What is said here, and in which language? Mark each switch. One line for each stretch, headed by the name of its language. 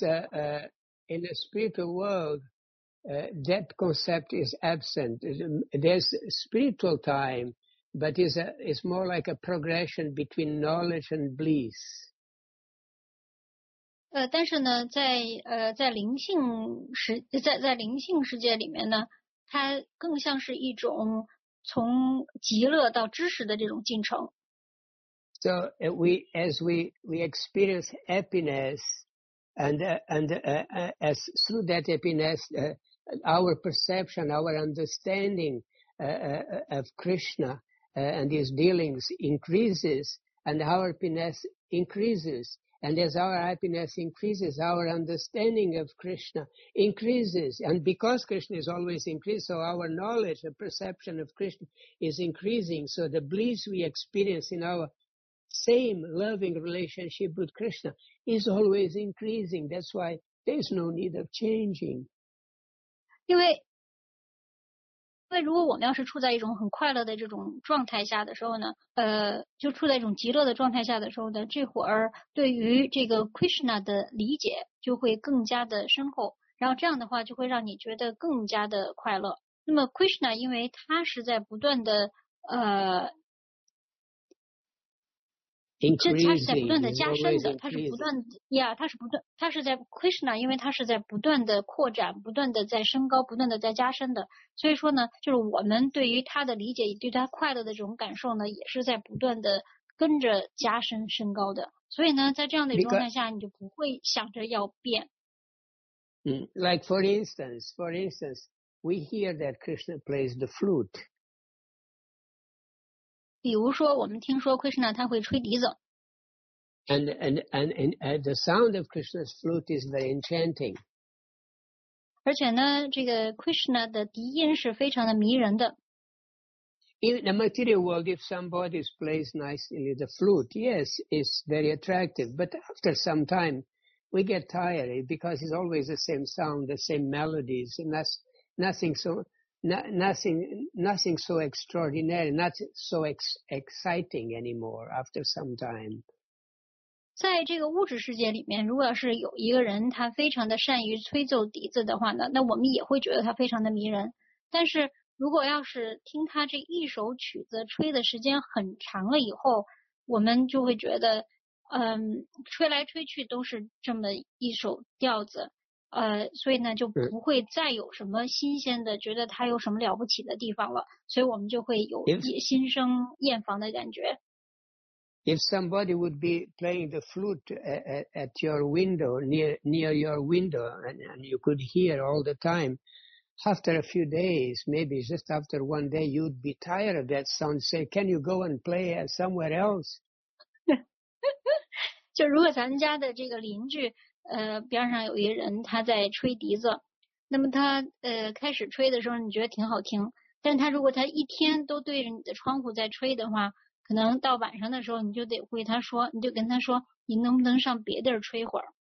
English: Whereas in the spiritual world, that concept is absent. There's spiritual time, but it's more like a progression between knowledge and bliss.
Chinese: 但是呢，在灵性世界里面呢，它更像是一种从极乐到知识的这种进程。
English: So we experience happiness and as through that happiness, our perception, our understanding of Krishna and his dealings increases and our happiness increases. And as our happiness increases, our understanding of Krishna increases. And because Krishna is always increasing, so our knowledge and perception of Krishna is increasing. So the bliss we experience in our same loving relationship with Krishna is always increasing. That's why there's no need of changing.
Chinese: 因为如果我们要是处在一种很快乐的这种状态下的时候呢，就处在一种极乐的状态下的时候呢，这会儿对于这个 Krishna 的理解就会更加的深厚，然后这样的话就会让你觉得更加的快乐。那么 Krishna 因为他是在不断的
English: Increasing,
Chinese: 这他是在不断的加深的，他是不断的呀，他是不断，他是在 Krishna， 因为他是在不断的扩展，不断的在升高，不断的在加深的。所以说呢，就是我们对于他的理解，对他快乐的这种感受呢，也是在不断的跟着加深升高的。所以呢，在这样的状态下，你就不会想着要变。
English: Like for instance, we hear that Krishna plays the flute.
Chinese: 比如说我们听说 Krishna 他会吹笛子。
English: And the sound of Krishna's flute is very enchanting.
Chinese: 而且呢这个 Krishna 的笛音是非常的迷人的。
English: In the material world, if somebody plays nicely the flute, yes, it's very attractive. But after some time, we get tired because it's always the same sound, the same melodies, and that's nothing so extraordinary, not so exciting anymore after some time.
Chinese: 在这个物质世界里面，如果是有一个人他非常的善于吹奏笛子的话呢，那我们也会觉得他非常的迷人。但是如果要是听他这一首曲子吹的时间很长了以后，我们就会觉得吹来吹去都是这么一首调子，所以呢就不会再有什么新鲜的觉得它有什么了不起的地方了，所以我们就会有心生厌烦的感觉。
English: If somebody would be playing the flute at your window, near your window, and you could hear all the time, after a few days, maybe just after one day, you'd be tired of that sound, say, can you go and play somewhere else?
Chinese: 就如果咱家的这个邻居边上有一人他在吹笛子，那么他开始吹的时候你觉得挺好听，但他如果他一天都对着你的窗户在吹的话，可能到晚上的时候你就得会他说，你就跟他说你能不能上别地儿吹会儿。